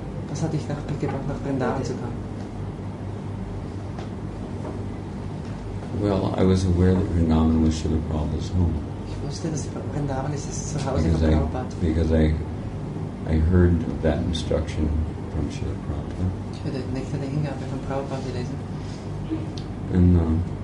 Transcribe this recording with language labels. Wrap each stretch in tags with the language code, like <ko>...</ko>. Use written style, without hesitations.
<de>was hat dich nach gebracht, nach Vrindavan zu kommen?</de> <en>Well, I was aware that Vrindavan was Srila Prabhupada's home.</en> <de>Ich wusste, dass Vrindavan ist das Zuhause von Prabhupada.</de> <en>Because I heard that instruction from Srila Prabhupada.</en> <de>Ich habe die Nächte der Hingabe von Prabhupada gelesen.</de>